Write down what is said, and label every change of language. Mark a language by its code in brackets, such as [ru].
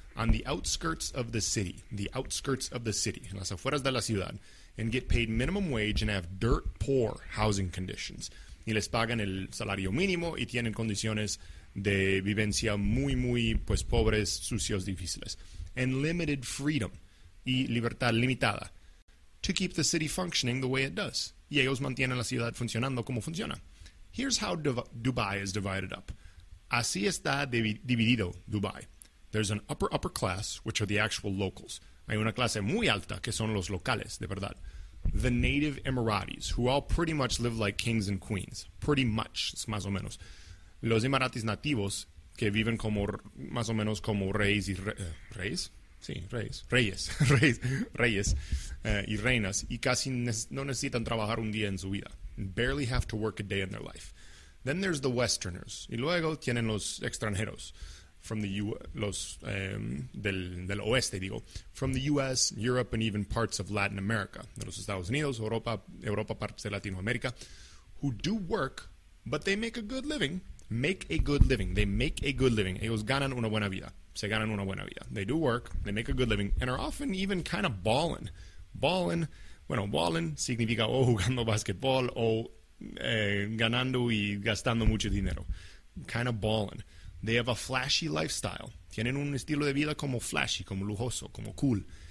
[en] On the outskirts of the city, [es] en las afueras de la ciudad, [en] and get paid minimum wage and have dirt poor housing conditions. [es] Y les pagan el salario mínimo y tienen condiciones de vivencia muy, muy, pues, pobres, sucios, difíciles. [en] And limited freedom. [es] Y libertad limitada. [en] To keep the city functioning the way it does. [es] Y ellos mantienen la ciudad funcionando como funciona. [en] Here's how Dubai is divided up. [es] Así está dividido Dubai. [en] There's an upper class, which are the actual locals. [es] Hay una clase muy alta, que son los locales, de verdad. [en] The native Emiratis, who all pretty much live like kings and queens. Pretty much, [es] más o menos. Los Emiratis nativos, que viven como, más o menos, como reyes y... ¿Reyes? Sí, reyes. Reyes. reyes y reinas. Y casi no necesitan trabajar un día en su vida. [en] Barely have to work a day in their life. Then there's the Westerners. [es] Y luego tienen los extranjeros. [en] From the [es] del oeste, digo, [en] from the U.S., Europe, and even parts of Latin America, [es] de los Estados Unidos, Europa, partes de Latinoamérica, [en] who do work, but they make a good living. [es] Ellos ganan una buena vida. Se ganan una buena vida. [en] They do work, they make a good living, and are often even kind of ballin'. [es] Ballin' significa o jugando basketball o ganando y gastando mucho dinero. [en] Kind of ballin'. They have a flashy lifestyle. [es] Tienen un estilo de vida como flashy, como lujoso, como cool.